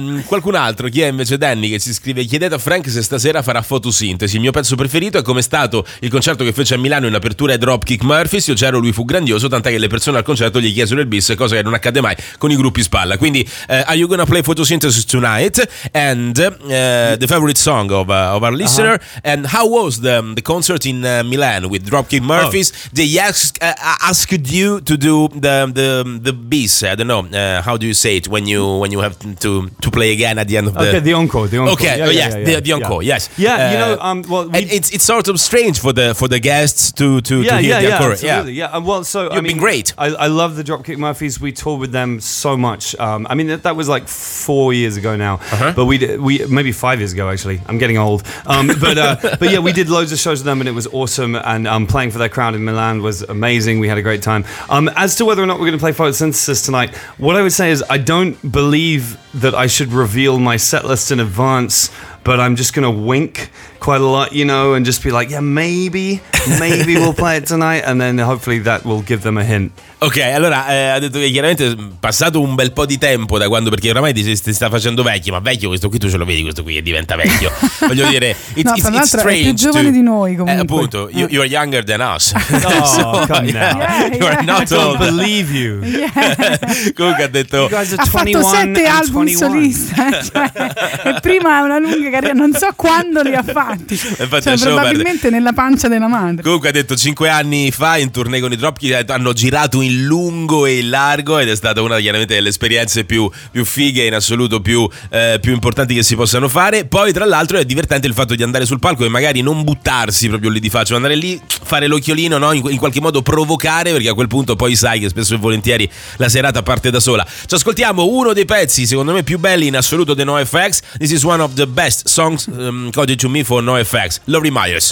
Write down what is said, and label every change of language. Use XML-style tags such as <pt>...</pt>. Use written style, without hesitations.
<it>Qualcun altro, chi è invece Danny che ci scrive, chiedete a Frank se stasera farà fotosintesi, il mio pezzo preferito è come è stato il concerto che fece a Milano in apertura ai Dropkick Murphys, io c'ero, lui fu grandioso, tant'è che le persone al concerto gli chiesero il bis, cosa che non accade mai con i gruppi spalla.</it> <en>Quindi are you gonna play photosynthesis tonight and the favorite song of our listener, and how was the concert in Milan with Dropkick Murphys? They asked you to do the bis, I don't know how do you say it when you have to play again at the end of the encore. The encore. You know, it's sort of strange for the guests to hear the encore. Well, you've been great. I love the Dropkick Murphys. We toured with them so much. I mean, that was like 4 years ago now. But we maybe 5 years ago actually. I'm getting old. But we did loads of shows with them and it was awesome. And playing for their crowd in Milan was amazing. We had a great time. As to whether or not we're going to play photosynthesis tonight, what I would say is I don't believe that I should reveal my set list in advance, but I'm just going to wink quite a lot, you know, and just be like, yeah, maybe we'll play it tonight, and then hopefully that will give them a hint.</en> <it>Ha detto che chiaramente è passato un bel po' di tempo da quando, perché oramai ti sta facendo vecchio, ma vecchio questo qui, tu ce lo vedi questo qui e diventa vecchio. Voglio dire,</it> <en>it's strange.</en> <it>È più giovane di noi comunque. Appunto,</it> <en>you're younger than us. I don't believe you.</en> <it>Comunque ha detto, ha fatto 7 album solista. E prima una lunga carriera, non so quando li ha fatti. Probabilmente nella pancia della madre. Comunque ha detto 5 anni fa in tournée con i Dropkick hanno girato in lungo e in largo ed è stata una chiaramente delle esperienze più fighe in assoluto, più importanti che si possano fare. Poi tra l'altro è divertente il fatto di andare sul palco e magari non buttarsi proprio lì di faccia, andare lì, fare l'occhiolino, no, in qualche modo provocare, perché a quel punto poi sai che spesso e volentieri la serata parte da sola. Ci ascoltiamo uno dei pezzi secondo me più belli in assoluto di NoFX.</it> <en>This is one of the best songs coded to me for NoFX, Lori Myers.</en>